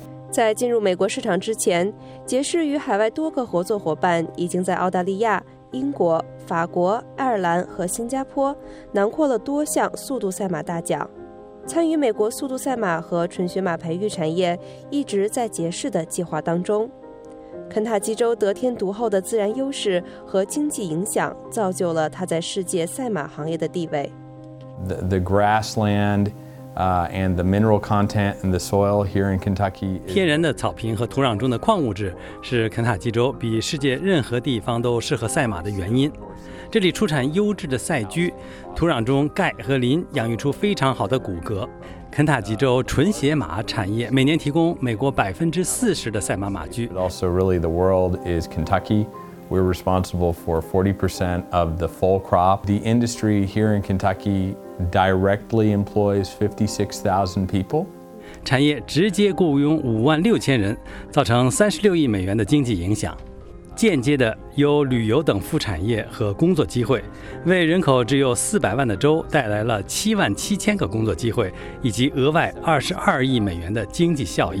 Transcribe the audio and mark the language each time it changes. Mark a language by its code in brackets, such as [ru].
[zh] 在进入美国市场之前，杰士与海外多个合作伙伴已经在澳大利亚、英国、法国、爱尔兰和新加坡囊括了多项速度赛马大奖。参与美国速度赛马和纯血马培育产业一直在杰士的计划当中。肯塔基州得天独厚的自然优势和经济影响造就了它在世界赛马行业的地位。 [en] The grassland and the mineral content in the soil here in Kentucky. [zh] 天然的草坪和土壤中的矿物质是肯塔基州比世界任何地方都适合赛马的原因。这里出产优质的赛驹，土壤中钙和磷养育出非常好的骨骼。肯塔基州纯血马产业每年提供美国40%的赛马马驹。 [en] Also, really, the world is Kentucky. We're responsible for 40% of the full crop. The industry here in Kentucky directly employs 56,000 people. [zh] 产业直接雇佣56,000人，造成$36亿的经济影响。间接的有旅游等副产业和工作机会，为人口只有400万的州带来了77,000个工作机会，以及额外$22亿的经济效益。